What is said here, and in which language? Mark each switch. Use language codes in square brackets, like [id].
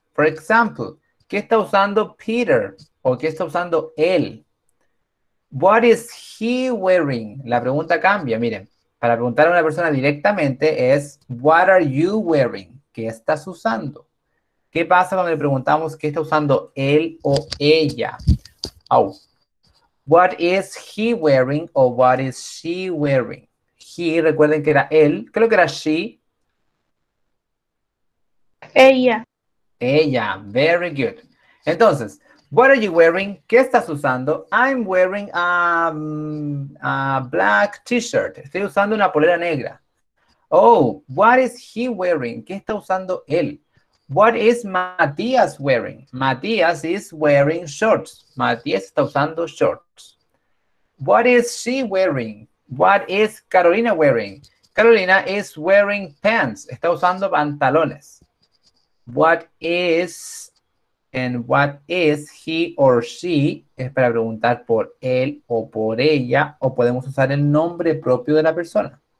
[en] For example, [es] ¿qué está usando Peter? ¿O qué está usando él? [en] What is he wearing? [es] La pregunta cambia, miren. Para preguntar a una persona directamente es [en] What are you wearing? [es] ¿Qué estás usando? ¿Qué pasa cuando le preguntamos qué está usando él o ella? Oh. [en] What is he wearing o what is she wearing? [es] He, recuerden que era él. Creo que era she. Ella. Ella. [en] Very good. [es] Entonces, [en] what are you wearing? [es] ¿Qué estás usando? [en] I'm wearing a black t-shirt. [es] Estoy usando una polera negra. [en] Oh, what is he wearing? [es] ¿Qué está usando él? [en] What is Matías wearing? Matías is wearing shorts. [es] Matías está usando shorts. [en] What is she wearing? What is Carolina wearing? Carolina is wearing pants. [es] Está usando pantalones. [en] What is and what is he or she? [es] Es para preguntar por él o por ella, o podemos usar el nombre propio de la persona.